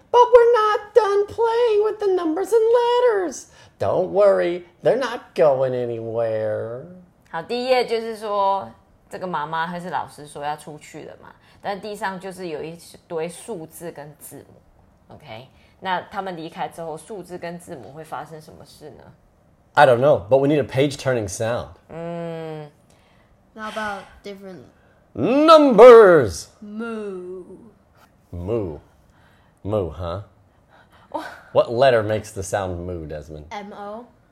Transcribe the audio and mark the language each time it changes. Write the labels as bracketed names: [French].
[English] But we're not done playing with the numbers and letters. Don't worry, they're not going anywhere. [Chinese] 好，第一页就是说，这个妈妈还是老师说要出去了嘛，但地上就是有一堆数字跟字母。 OK， 那他们离开之后，数字跟字母会发生什么事呢 [English] ？I don't know, but we need a page-turning sound. 嗯 ，How about different numbers? Moo. Moo. Moo, huh? What letter makes the sound moo, Desmond? M-O.